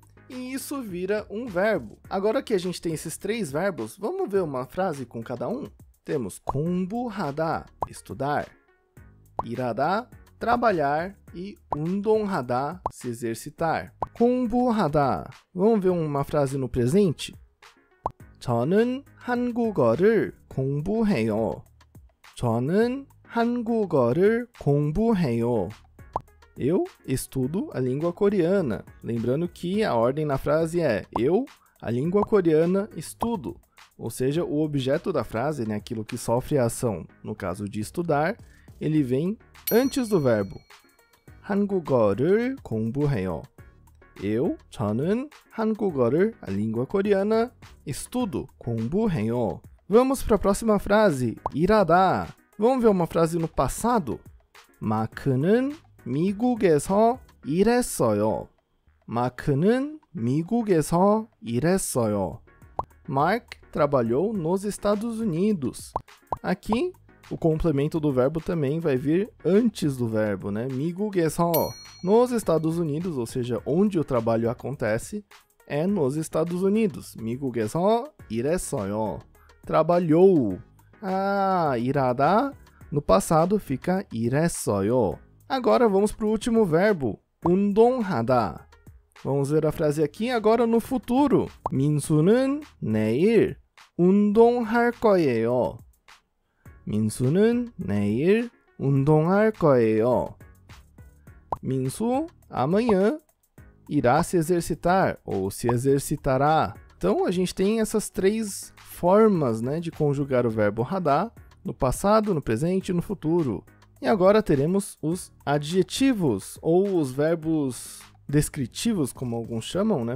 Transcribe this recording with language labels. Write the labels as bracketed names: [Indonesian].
[Portuguese] E isso vira um verbo. Agora que a gente tem esses três verbos, vamos ver uma frase com cada um? Temos kombu hada, estudar. Irada, trabalhar. E undong hada, se exercitar. Kombu hada. Vamos ver uma frase no presente? [Korean] 저는 한국어를 공부해요. 저는 한국어를 공부해요. [Portuguese] Eu estudo a língua coreana. Lembrando que a ordem na frase é eu, a língua coreana, estudo. Ou seja, o objeto da frase, né, aquilo que sofre a ação, no caso de estudar, ele vem antes do verbo. [Korean] 한국어를 공부해요. [Portuguese] Eu, [Korean] 저는 한국어를, [Portuguese] a língua coreana, estudo, [Korean] 공부해요. [Portuguese] Vamos para a próxima frase, 일하다. Vamos ver uma frase no passado? [Korean] 마크는 미국에서 일했어요. 마크는 미국에서 일했어요. [Portuguese] Mark trabalhou nos Estados Unidos. Aqui, o complemento do verbo também vai vir antes do verbo, né? [Korean] 미국에서, [Portuguese] nos Estados Unidos, ou seja, onde o trabalho acontece, é nos Estados Unidos. [Korean] 미국에서 일했어요. [Portuguese] Trabalhou. Ah, 일하다, no passado, fica 일했어요. Agora vamos para o último verbo, 운동하다. Vamos ver a frase aqui agora no futuro. [Korean] 민수는 내일 운동할 거예요. 민수는 내일 운동할 거예요. [Portuguese] 민수, amanhã, irá se exercitar ou se exercitará. Então a gente tem essas três formas, né, de conjugar o verbo 하다, no passado, no presente e no futuro. E agora teremos os adjetivos, ou os verbos descritivos, como alguns chamam, né?